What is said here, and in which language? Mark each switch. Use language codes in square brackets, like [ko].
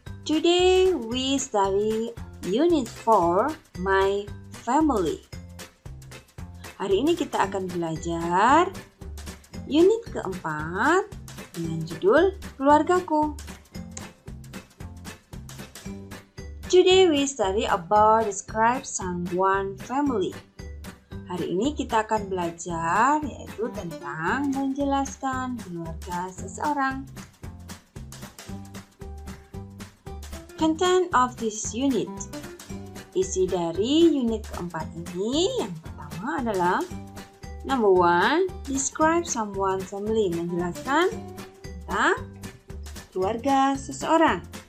[en] Today we study Unit 4, My Family. [id] Hari ini kita akan belajar unit keempat dengan judul Keluargaku. [en] Today we study about describe someone family. [id] Hari ini kita akan belajar yaitu tentang menjelaskan keluarga seseorang. [en] Content of this unit. [id] Isi dari unit keempat ini yang pertama adalah [en] number one, describe someone's family, [id] menjelaskan tentang keluarga seseorang.